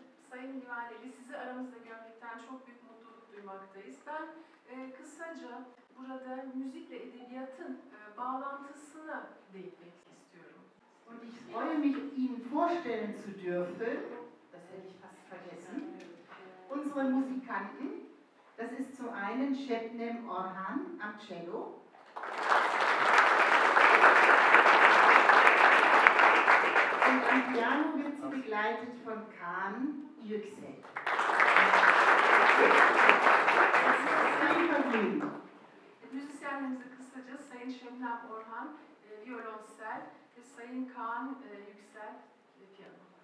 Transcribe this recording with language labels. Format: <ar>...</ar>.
<tr>Sayın Livaneli, sizi aramızda görmekten çok büyük mutluluk duymaktayız. Ben kısaca burada müzikle edebiyatın bağlantısına değinmek istiyorum.</tr> <de>Und ich freue mich, Ihnen vorstellen zu dürfen, das hätte ich fast vergessen, unsere Musikanten, das ist zum einen Şebnem Orhan am Cello. Und am Piano wird sie begleitet von Kaan Yüksel. Das ist ein Vergnügen.</de> <tr>Müzisyenlerimize kısaca Sayın Şebnem Orhan, Violoncel ve Sayın Kaan Yüksel, Piyano.</tr>